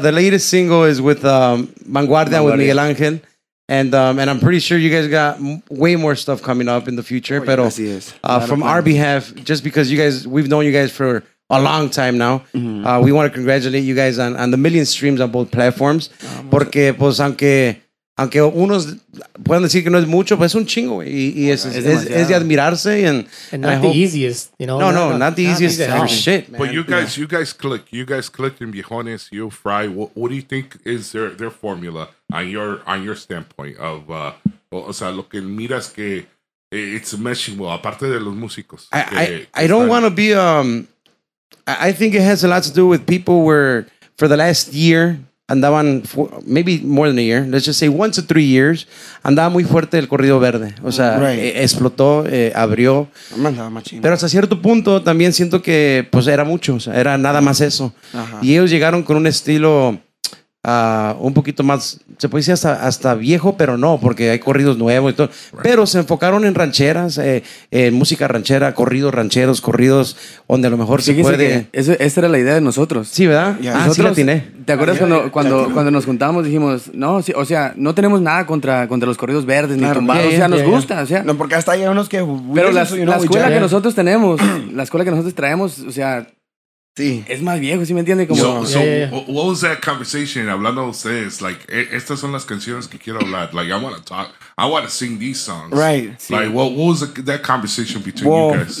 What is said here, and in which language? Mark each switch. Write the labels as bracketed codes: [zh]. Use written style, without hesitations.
[en] The latest single is with Vanguardia, with Miguel Ángel. And I'm pretty sure you guys got way more stuff coming up in the future. Oh, pero from our behalf, just because we've known you guys for a long time now, mm-hmm. We want to congratulate you guys on the million streams on both platforms. [es] Oh, porque, pues, aunque unos puedan decir que no es mucho, pues es un chingo, güey. Y es de admirarse. [en] And not the easiest, for shit, man. But you guys click. You guys click in Viejones, you Fry. What do you think is their formula on your standpoint of, o sea, [es] lo que miras que [en] it's meshing well, [es] aparte de los músicos. [en] I don't want to be, I think it has a lot to do with people where for the last year, andaban maybe more than a year, let's just say 1 to 3 years, [es] andaba muy fuerte el corrido verde. O sea, explotó, abrió. Pero hasta cierto punto también siento que pues era mucho, o sea, era nada más eso. Ajá. Y ellos llegaron con un estilo un poquito más, se puede decir hasta viejo, pero no, porque hay corridos nuevos y todo. Right. Pero se enfocaron en rancheras, en música ranchera, corridos rancheros, corridos donde a lo mejor se puede. Esa era la idea de nosotros. Sí, ¿verdad? Yeah. Nosotros, sí, la atiné. ¿Te acuerdas cuando nos juntamos? Dijimos, no, sí, o sea, no tenemos nada contra los corridos verdes, claro, ni tumbados. Yeah, o sea, yeah, nos gusta. O sea, no, porque hasta hay unos que. Pero la escuela que nosotros tenemos, la escuela que nosotros traemos, o sea. Sí. Es más viejo, ¿sí me entiende? Como, [en] What was that conversation [es] hablando de ustedes? Like, estas son las canciones que quiero hablar. [en] Like, I want to talk. I want to sing these songs. Right. [es] Sí. [en] Like, what was that conversation between you guys?